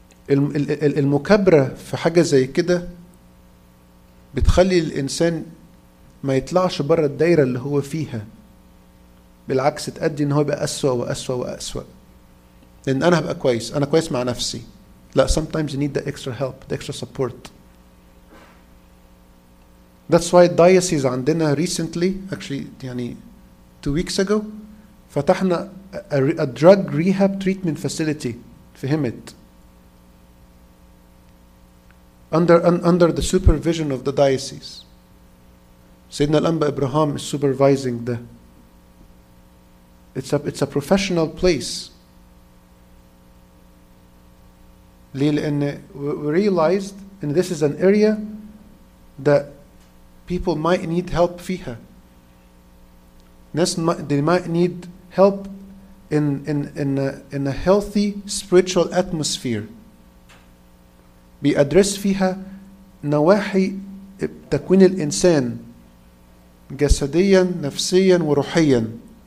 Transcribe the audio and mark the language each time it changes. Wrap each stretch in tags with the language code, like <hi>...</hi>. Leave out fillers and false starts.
<ar>المكابرة في حاجة زي كده بتخلي الإنسان ما يطلعش برا الدائرة اللي هو فيها. بالعكس تأدي ان هو يبقى أسوأ وأسوأ وأسوأ. لان انا هبقى كويس. انا كويس مع نفسي. لا</ar> <en>sometimes you need the extra help, the extra support. That's why diocese</en> <ar>عندنا</ar> <en>recently, actually</en> <ar>يعني</ar> <en>2 weeks ago,</en> <ar>فتحنا</ar> <en>a drug rehab treatment facility</en> <ar>في هيمت.</ar> <en>Under the supervision of the diocese. سيدنا الأنبا إبراهام is supervising the It's a professional place. And we realized and this is an area that people might need help</en> <ar>fiha.</ar> <en>They might need help in a healthy spiritual atmosphere. Be addressed</en> <ar>fiha نواحي تكوين الإنسان جسديا نفسيا وروحيا.</ar>